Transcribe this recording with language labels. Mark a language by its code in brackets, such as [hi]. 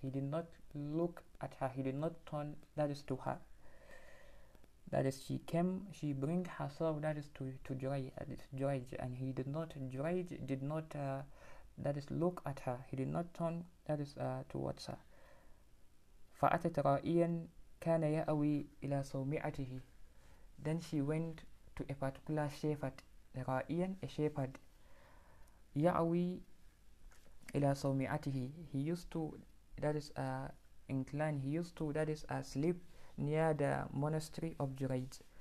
[en] He did not look at her. He did not turn, that is, to her. That is, she came, she bring herself, that is, to Juraj, that is, Juraj, and he did not, Juraj did not, that is, look at her. He did not turn, that is, towards her. [ar] فأتت رائيا كان يأوي إلى صومعته. [en] Then she went to a particular shepherd, رائيا, a shepherd. [ar] يأوي إلى صومعته. [en] He used to, that is, incline, he used to, that is, sleep near the monastery of Juraj.